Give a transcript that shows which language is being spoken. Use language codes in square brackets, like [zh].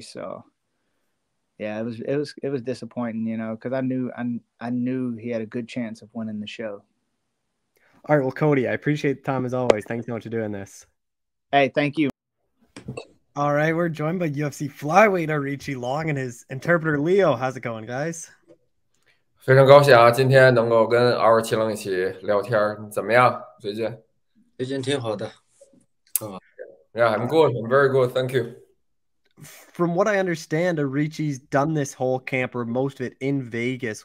[en] So yeah, it was disappointing, you know, cause I knew he had a good chance of winning the show. All right. Well, Cody, I appreciate the time as always. Thanks so much for doing this. Hey, thank you. All right. We're joined by UFC flyweight Richie Long and his interpreter Leo. How's it going, guys? [zh] 非常高兴啊，今天能够跟奥尔奇隆一起聊天，怎么样，最近？最近挺好的。 [en] Yeah, I'm good. I'm very good. Thank you. From what I understand, Arichi's done this whole camp or most of it in Vegas.